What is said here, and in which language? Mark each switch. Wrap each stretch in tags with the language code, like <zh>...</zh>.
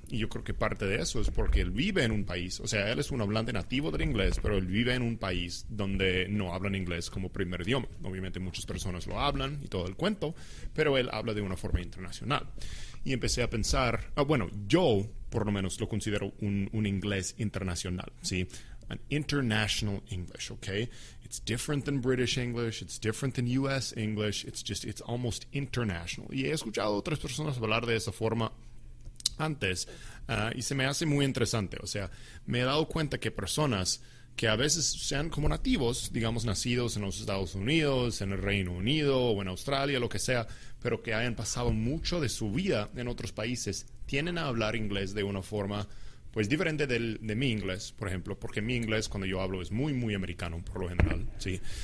<es>Y yo creo que parte de eso es porque él vive en un país, o sea, él es un hablante nativo del inglés, pero él vive en un país donde no hablan inglés como primer idioma. Obviamente muchas personas lo hablan y todo el cuento, pero él habla de una forma internacional. Y empecé a pensar, yo por lo menos lo considero un inglés internacional, ¿sí?</es> <en>An international English, okay? It's different than British English, it's different than US English, it's almost international.</en> <es>Y he escuchado otras personas hablar de esa forma antes, y se me hace muy interesante. O sea, me he dado cuenta que personas que a veces sean como nativos, digamos, nacidos en los Estados Unidos, en el Reino Unido o en Australia, lo que sea, pero que hayan pasado mucho de su vida en otros países, tienden a hablar inglés de una forma, pues, diferente de mi inglés, por ejemplo, porque mi inglés, cuando yo hablo, es muy, muy americano, por lo general, ¿sí?</es>